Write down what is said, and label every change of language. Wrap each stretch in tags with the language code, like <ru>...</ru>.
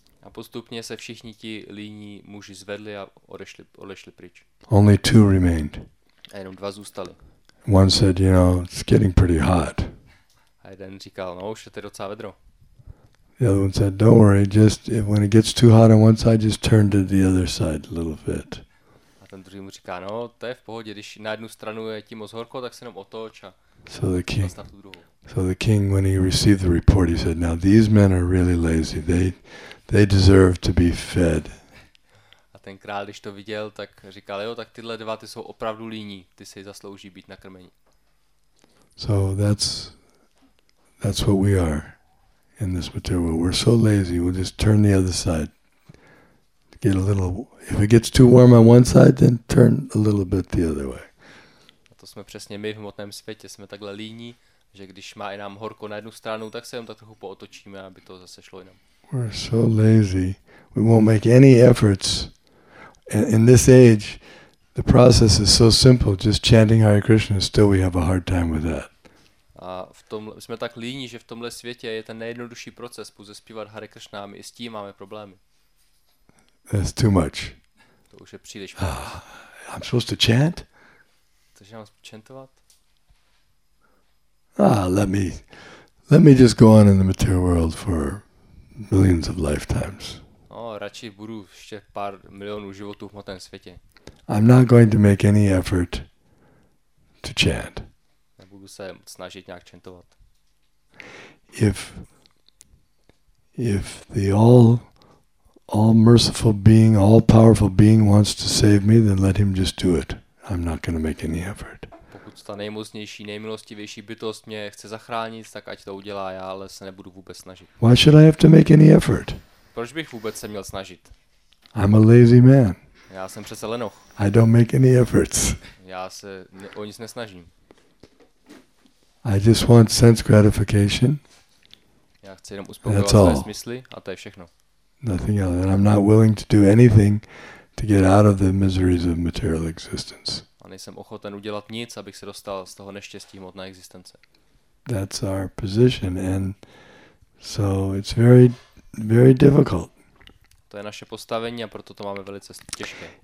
<cs>A postupně se všichni ti líní muži zvedli a odešli pryč.</cs> <en>Only two remained.</en> <cs>A jenom dva zůstali.</cs> <en>One said, you know, it's getting pretty hot.</en> <cs>A jeden říkal, no už je to docela vedro.</cs> <en>The other one said, don't worry, just if, when it gets too hot on one side, just turn to the other side a little bit.</en> <cs>A ten druhý mu říká, no to je v pohodě, když na jednu stranu je ti moc horko, tak se jenom otoč a nastav tu druhou.</cs> <en>So the king, when he received the report, he said, now these men are really lazy, they deserve to be fed.</en> <cs>A ten král, když to viděl, tak říkal, jo, tak tyhle dva, ty jsou opravdu líní, ty si zaslouží být nakrmení.</cs> <en>So that's what we are in this material. We're so lazy, we'll just turn the other side. Get a little, if it gets too warm on one side, then turn a little bit the other way.</en> <cs>A to jsme přesně my v hmotném světě, jsme takhle líní, že když má i nám horko na jednu stranu, tak se jenom tak trochu pootočíme, aby to zase šlo jinam.</cs> <en>We're so lazy. We won't make any efforts. In this age, the process is so simple, just chanting Hare Krishna, still we have a hard time with that.</en> <cs>A v tom jsme tak líní, že v tomhle světě je ten nejjednodušší proces pouze zpívat Hare Krishna, my i s tím máme problémy.</cs> <en>That's too much.</en> <cs>To už je příliš.</cs> <en>I'm supposed to chant?</en> <cs>Takže mám chantovat?</cs> <en>Let me just go on in the material world for millions of lifetimes.</en> <cs>No, radši budu ještě pár milionů životů v hmotném světě.</cs> <en>I'm not going to make any effort to chant.</en> <cs>Nebudu se snažit nějak chantovat.</cs> <en>If the all merciful being, all powerful being wants to save me, then let him just do it. I'm not going to make any effort.</en> <cs>Ta nejmocnější, nejmilostivější bytost mě chce zachránit, tak ať to udělá já, ale se nebudu vůbec snažit.</cs> <en>Why should I have to make any effort?</en> <cs>Proč bych vůbec se měl snažit?</cs> <en>I'm a lazy man.</en> <cs>Já jsem přece lenoch.</cs> <en>I don't make any efforts.</en> <cs>Já se o nic nesnažím.</cs> <en>I just want sense gratification.</en> <cs>Já chci jenom uspokojovat své smysly a to je všechno.</cs> <en>Nothing else. And I'm not willing to do anything to get out of the miseries of material existence.</en> <cs>Nejsem ochoten udělat nic, abych se dostal z toho neštěstí hmotné existence. That's our position and so it's very very difficult. To je naše postavení a proto to máme velice těžké.</cs>